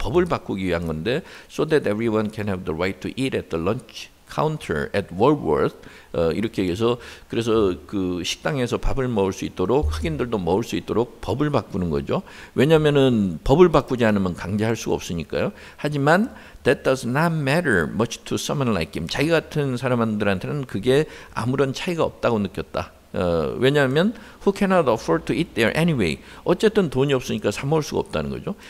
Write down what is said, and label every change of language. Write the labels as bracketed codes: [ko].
[ko] 법을 바꾸기 위한 건데 [en] so that everyone can have the right to eat at the lunch counter at Woolworth [ko] 이렇게 해서 그래서 그 식당에서 밥을 먹을 수 있도록 흑인들도 먹을 수 있도록 법을 바꾸는 거죠. 왜냐면은 법을 바꾸지 않으면 강제할 수가 없으니까요. 하지만 [en] that does not matter much to someone like him. [ko] 자기 같은 사람들한테는 그게 아무런 차이가 없다고 느꼈다. 왜냐하면 [en] who cannot afford to eat there anyway. [ko] 어쨌든 돈이 없으니까 사 먹을 수가 없다는 거죠.